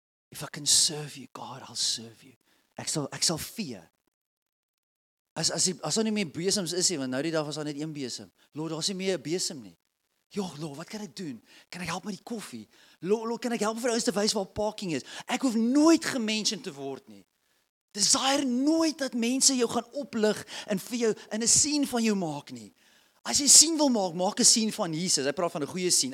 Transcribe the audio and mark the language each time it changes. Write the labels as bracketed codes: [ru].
[en] If I can serve you, God, I'll serve you. [af] Ek sal fear. As daar nie meer besems is nie, want nou die dag was daar net een besem. Lord, daar is nie meer 'n besem nie. Jog, Lord, wat kan ek doen? Kan ek help met die koffie? Lord, kan ek help vir ouens te wys waar parking is? Ek hoef nooit gementioned te word nie. Desire nooit dat mense jou gaan oplig en vir jou in 'n scene van jou maak nie. As jy sien wil maak, maak 'n scene van Jesus. Hy praat van 'n goeie scene.